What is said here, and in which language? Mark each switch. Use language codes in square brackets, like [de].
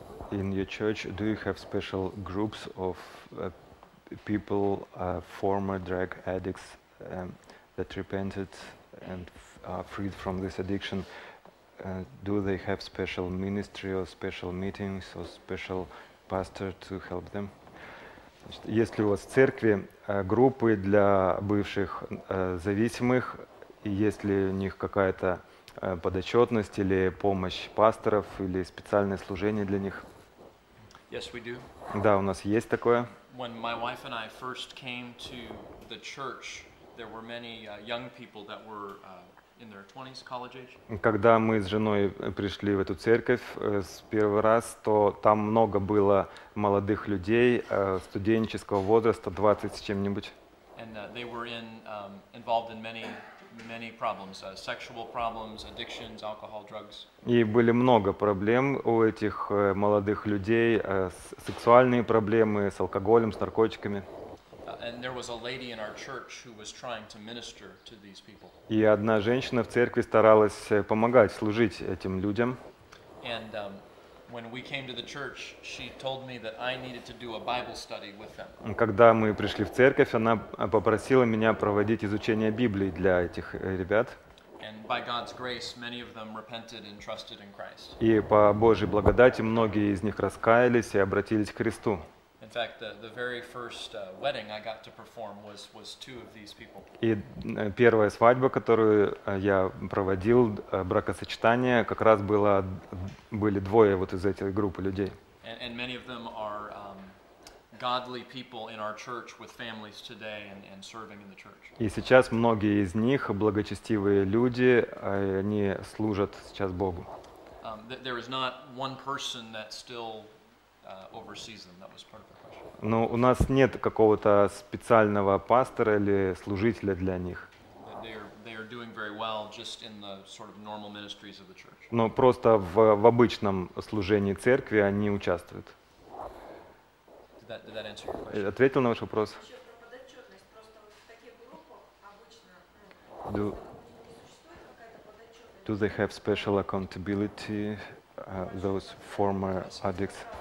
[en] In your church, do you have special groups of people, former drug addicts that repented and are freed from this addiction? Do they have special ministry or special meetings or special pastor to help them? [ru] Есть ли у вас в церкви группы для бывших зависимых? Есть ли у них какая-то подотчетность или помощь пасторов или специальное служение для них? [en] Yes, we do. [ru] Да, у нас есть такое. [en] When my wife and I first came to the church, there were many young people that were in their 20s, college age. [ru] Когда мы с женой пришли в эту церковь с первый раз, то там много было молодых людей студенческого возраста, 20 с чем-нибудь. [en] And they were involved in many problems, sexual problems, addictions, alcohol, drugs. [ru] И были много проблем у этих молодых людей, сексуальные проблемы с алкоголем, с наркотиками. [en] And there was a lady in our church who was trying to minister to these people. [ru] И одна женщина в церкви старалась помогать, служить этим людям. [en] And When we came to the church, she told me that I needed to do a Bible study with them. [ru] Когда мы пришли в церковь, она попросила меня проводить изучение Библии для этих ребят. [en] And by God's grace, many of them repented and trusted in Christ. [ru] И по Божьей благодати многие из них раскаялись и обратились к Христу. [en] In fact, the very first wedding I got to perform was two of these people. [ru] И первая свадьба, которую я проводил, бракосочетание, как раз были двое вот из этой группы людей. [en] And many of them are godly people in our church with families today and serving in the church. [ru] И сейчас многие из них благочестивые люди, они служат сейчас Богу. [en] There is not one person that still oversees them. That was part of the question. [ru] Но у нас нет какого-то специального пастора или служителя для них. [en] They are doing very well just in the sort of normal ministries of the church. [ru] Но просто в обычном служении церкви они участвуют. [en] Did that answer your question? [ru] Ответил на ваш вопрос? [en] Do they have special accountability, those former addicts?